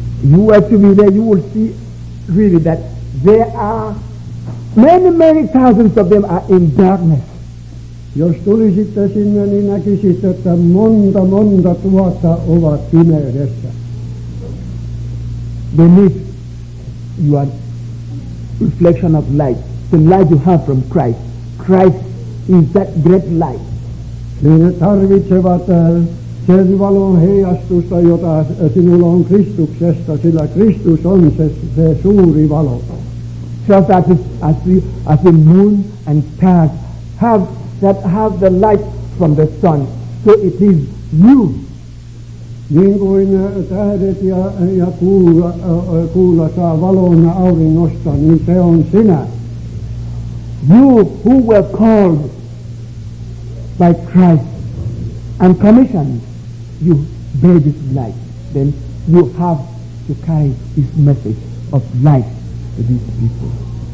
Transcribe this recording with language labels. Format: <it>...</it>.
<en>You are to be there, you will see really that there are many, many thousands of them are in darkness.</en> <fi>Jos tulisitte sinne, niin näkisitte, että monta, monta tuhatta ovat pimeydessä.</fi> <en>Beneath you are reflection of light. the light you have from Christ. Christ is that great light.</en> <fi>Sinne tarvitsevat sen valon heijastusta, jota sinulla on Kristuksesta, sillä Kristus on se suuri valo.</fi> <en>Just as the moon and stars have the light from the sun, so it is you.</en> <fi>Niin kuin tähdet ja kuulla saa valon auringosta, niin se on sinä.</fi> <en>You who were called by Christ and commissioned, you bear this light, then you have to carry this message of light to these people.</en>